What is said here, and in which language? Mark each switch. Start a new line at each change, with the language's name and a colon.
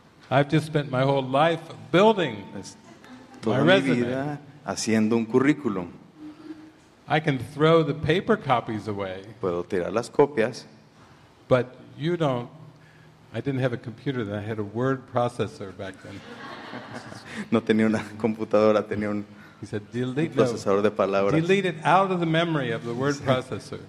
English: I've just spent my whole life building my resume.
Spanish: Toda mi vida haciendo un currículum.
English: I can throw the paper copies away.
Spanish: Puedo tirar las copias.
English: But you don't. I didn't have a computer then. I had a word processor back then.
Spanish: No tenía una computadora, tenía un procesador de palabras.
English: Delete it out of the memory of the word processor.